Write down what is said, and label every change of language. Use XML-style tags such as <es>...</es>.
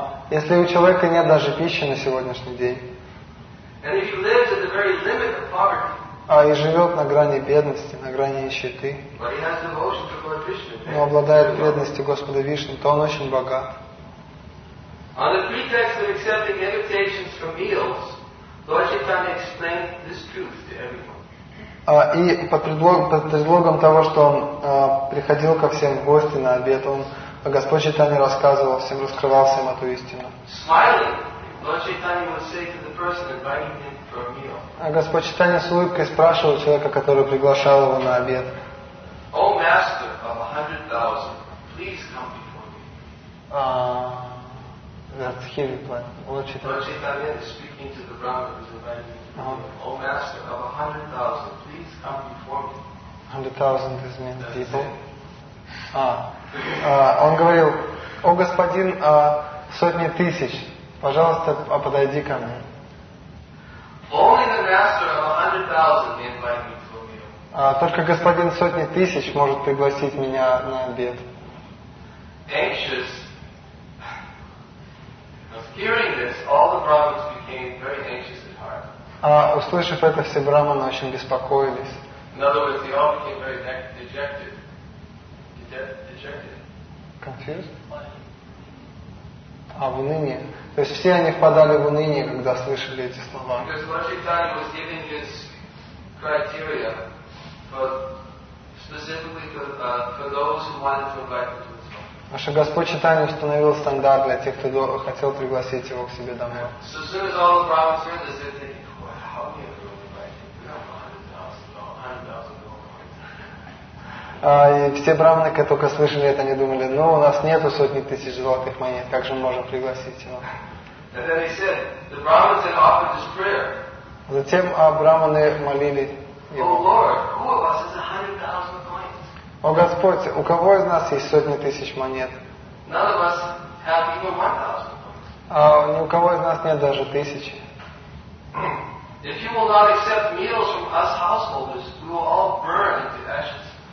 <ru>если у человека нет даже пищи на сегодняшний день,</ru> <en>and if he lives at the very limit of poverty,</en> <ru>и живет на грани бедности, на грани нищеты,</ru> <en>but he has devotion to Lord Vishnu,</en> <ru>но обладает преданностью Господа Вишну, то он очень богат.</ru> <en>On the pretext of accepting invitations for meals, Lord Chaitanya explained this truth to everyone.</en> <ru>И под предлогом того, что он приходил ко всем в гости на обед, он Господь Чайтанья рассказывал всем, раскрывал всем эту истину.</ru> <en>Smiling, Lord Chaitanya would say to the person inviting him for a meal.</en> <ru>Господь Чайтанья с улыбкой спрашивал человека, который приглашал его на обед.</ru> <en>O master of 100,000, please come before me. That's his reply. Lord Chaitanya is speaking to the Brahmin who's inviting him. O master of 100,000, please come before me. 100,000 is many people.</en> <ru>Он говорил, о господин, сотни тысяч, пожалуйста, подойди ко мне.</ru> <en>Only the master of 100,000 may invite me to a meal.</en> <ru>Только господин сотни тысяч может пригласить меня на обед.</ru> <en>Anxious of hearing this, all the brahmins became very anxious at heart.</en> <ru>Услышав это, все брахманы очень беспокоились.</ru> <en>In other words, they all became very dejected. Dejected. Confused?</en> <ru>В уныние. То есть все они впадали в уныние, когда слышали эти слова.</ru> <en>Because Lord Chaitanya was giving his criteria for those who wanted to invite him.</en> <ru>А что Господь Чайтанья установил стандарт для тех, кто хотел пригласить его к себе домой.</ru> <en>So as soon as all the brahmins heard this, they think, well, how are you going to invite him? We have 100,000</en> <ru>И все брахманы, которые только слышали это, они думали, ну, у нас нету сотни тысяч золотых монет, как же мы можем пригласить его?</ru> <en>And then he said, the brahmins had offered this prayer.</en> <ru>Затем брахманы молили его.</ru> <en>Oh, Lord, who of us is 100,000?</en> <ru>О Господь, у кого из нас есть сотни тысяч монет?</ru> <en>None of us have even 1,000.</en> <ru>Ни у кого из нас нет даже тысячи.</ru> <en>If you will not accept meals from us householders, we will all burn into ashes.</en>